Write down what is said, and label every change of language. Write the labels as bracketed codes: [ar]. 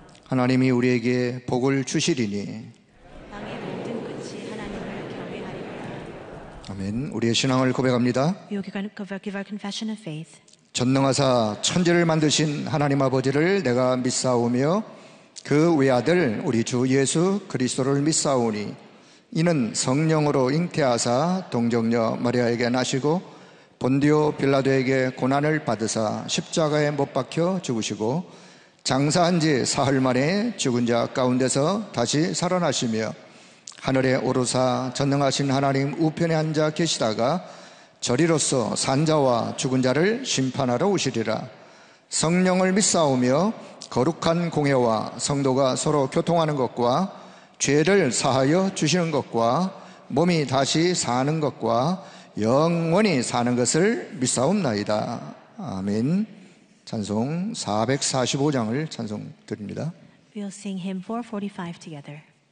[ko] 하나님이 우리에게 복을 주시리니 땅의 모든 끝이 하나님을 경외하리라. 아멘. 우리의 신앙을 고백합니다. [en] We will give our confession of faith. [ko] 전능하사 천지를 만드신 하나님 아버지를 내가 믿사오며 그 외아들 우리 주 예수 그리스도를 믿사오니 이는 성령으로 잉태하사 동정녀 마리아에게 나시고 본디오 빌라도에게 고난을 받으사 십자가에 못 박혀 죽으시고 장사한 지 사흘 만에 죽은 자 가운데서 다시 살아나시며 하늘에 오르사 전능하신 하나님 우편에 앉아 계시다가 저리로서 산자와 죽은 자를 심판하러 오시리라. 성령을 믿사오며 거룩한 공회와 성도가 서로 교통하는 것과 죄를 사하여 주시는 것과 몸이 다시 사는 것과 영원히 사는 것을 믿사옵나이다. 아멘. 찬송 445장을 찬송 드립니다. [en] We'll sing hymn 445 together.